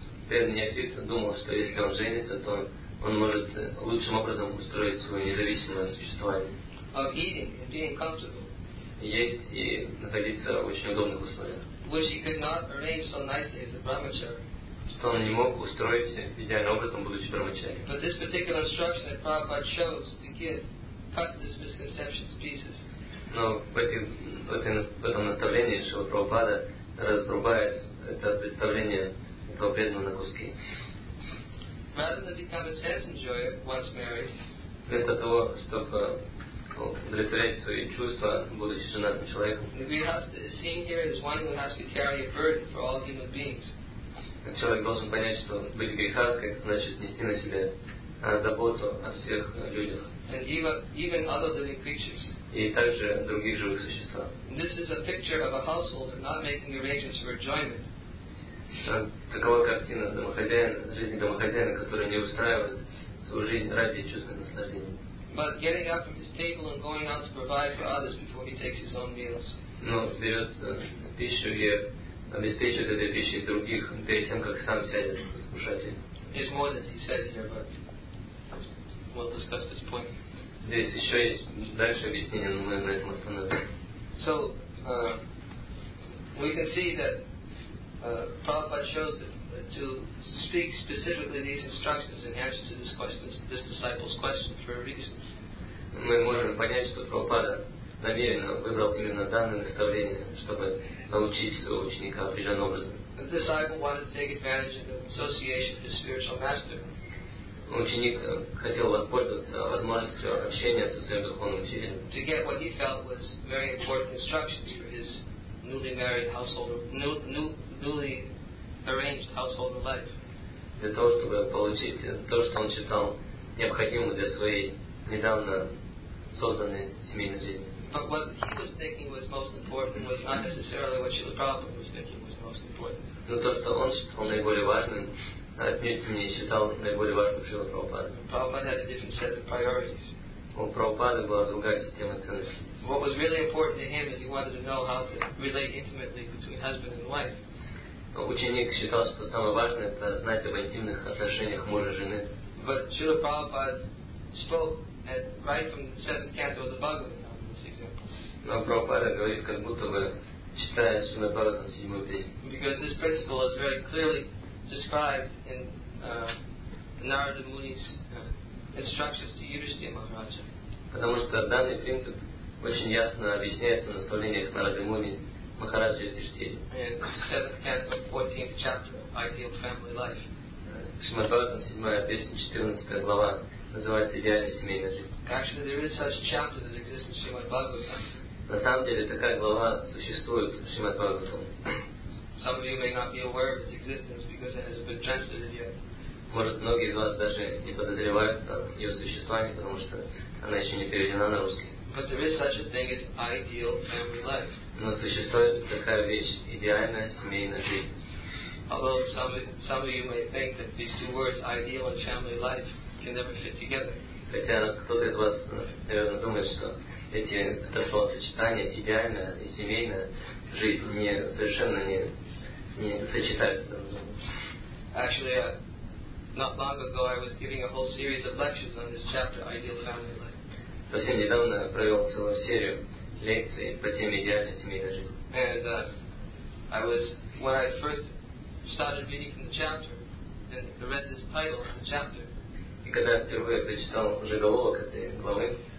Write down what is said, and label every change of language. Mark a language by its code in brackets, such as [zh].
[ru] Неофит думал, что если он женится, то он может лучшим образом устроить свое независимое существование. [en] Of eating and being comfortable. [ru] Есть и находиться в очень удобных условиях. [en] Which he could not arrange so nicely as a brahmachari. [ru] Что он не мог устроить идеальным образом, будучи брахмачари. [en] But this particular instruction that Prabhupada chose to give cuts this misconception to pieces. [ru] Но в этом наставлении Шрила Прабхупада разрубает это представление этого преданного на куски. [en] Rather than become a sense enjoyer once married, [ru] вместо того, чтобы удовлетворять свои чувства, будучи женатым человеком, [en] the grihastha is seen here as one who has to carry a burden for all human beings. [ru] Человек должен понять, что быть грихасткой значит нести на себе заботу о всех людях. [en] And even other living creatures. [ru] И также других живых существ. [en] This is a picture of a householder not making arrangements for enjoyment. [ru] Такова картина жизни домохозяина, который не устраивает свою жизнь ради чувственных наслаждений. [en] But getting up from his table and going out to provide for others before he takes his own meals. [ru] Но берет пищу и обеспечивает этой пищей других перед тем, как сам сядет кушать. [en] It's more than he said here, but we'll discuss this point. [ru] Здесь еще есть дальше объяснение, но мы на этом остановимся. [en] So, we can see that Prabhupada chose to speak specifically these instructions in answer to this disciple's question for a reason. [ru] Мы можем понять, что Прабхупада намеренно выбрал именно данное наставление, чтобы научить своего ученика определенным образом. [en] The disciple wanted to take advantage of the association of his spiritual master. [ru] Ученик хотел воспользоваться возможностью общения со своим духовным учителем. [en] To get what he felt was very important instructions for his newly married household, newly arranged household life. [ru] Для того, чтобы получить то, что он считал необходимым для своей недавно созданной семейной жизни. [en] But what he was thinking was most important was not necessarily what Srila Prabhupada was thinking was most important. [ru] Но то, что он считал наиболее важным, отнюдь не считал наиболее важным Шрила Прабхупада. [en] Prabhupada had a different set of priorities. [ru] У Прабхупады была другая система ценностей. [en] What was really important to him is he wanted to know how to relate intimately between husband and wife. [ru] Ученик считал, что самое важное — это знать об интимных отношениях мужа и жены. [en] But Srila Prabhupada spoke at right from the seventh canto of the Bhagavad Gita, this example. [ru] Но Прабхупада говорит, как будто бы читая Шрила Прабхупада седьмую песню. [en] Because this principle is very clearly described in Narada Muni's instructions to Yudhishthira Maharaja. [ru] Потому что данный принцип очень ясно объясняется в наставлениях Нарады Муни Махараджи Юдхиштхире. [en] Seventh canto, 14th chapter, Ideal Family Life. [ru] Шримад Бхагаватам, 7 песня, 14 глава, называется «Идеальная семейная жизнь». [en] Actually, there is such chapter that exists in Shrimad Bhagavatam. [ru] На самом деле такая глава существует в Шримад Бхагаватам. [en] Some of you may not be aware of its existence because it has been translated yet. [ru] Может, многие из вас даже не подозревают о ее существовании, потому что она еще не переведена на русский. [en] But there is such a thing as ideal family life. [ru] Но существует такая вещь – идеальная семейная жизнь. [en] Although some of you may think that these two words, ideal and family life, can never fit together. [ru] Хотя кто-то из вас, наверное, думает, что это словосочетание – идеальная и семейная жизнь не совершенно не сочетается. [en] Actually, not long ago I was giving a whole series of lectures on this chapter, ideal family life. [ru] Совсем недавно я провел целую серию лекций по теме идеальной семейной жизни. [en] And I was when I first started reading from the chapter and read this title of the chapter. [ru] И когда впервые прочитал уже заголовок этой главы,